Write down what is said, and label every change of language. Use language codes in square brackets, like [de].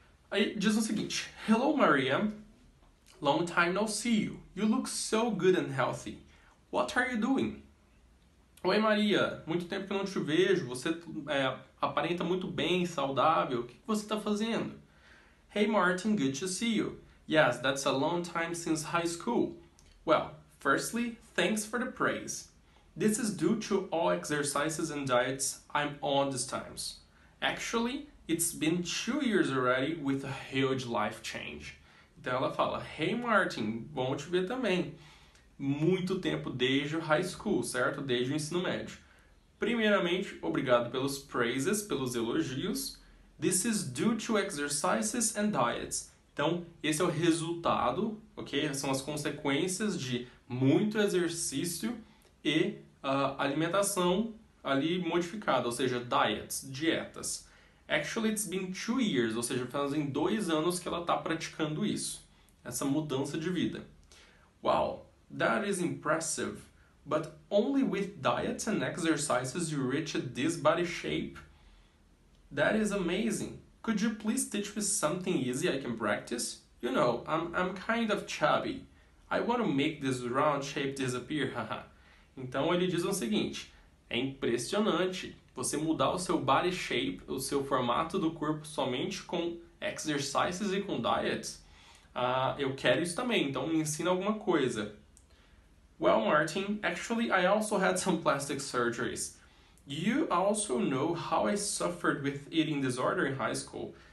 [pt] Aí diz o seguinte: [en] Hello, Maria. Long time no see you. You look so good and healthy. What are you doing? [pt] Oi, Maria. Muito tempo que eu não te vejo. Você aparenta muito bem, saudável. O que você está fazendo? [en] Hey, Martin. Good to see you. Yes, that's a long time since high school. Well, firstly, thanks for the praise. This is due to all exercises and diets I'm on these times. Actually, it's been 2 years already with a huge life change. [pt] Então ela fala: Hey Martin, bom te ver também. Muito tempo desde o high school, certo? Desde o ensino médio. Primeiramente, obrigado pelos praises, pelos elogios. [en] This is due to exercises and diets. [pt] Então, esse é o resultado, ok? São as consequências de muito exercício e alimentação ali modificada, ou seja, diets, dietas. [en] Actually, it's been 2 years, [pt] ou seja, fazem 2 anos que ela está praticando isso. Essa mudança de vida. [en] Wow, that is impressive, but only with diets and exercises you reach this body shape. That is amazing. Could you please teach me something easy I can practice? You know, I'm kind of chubby. I want to make this round shape disappear. [pt] Então ele diz o seguinte: é impressionante você mudar o seu body shape, o seu formato do corpo somente com exercises e com diets. Ah, eu quero isso também, então me ensina alguma coisa. [en] Well, Martin, actually I also had some plastic surgeries. You also know how I suffered with eating disorder in high school.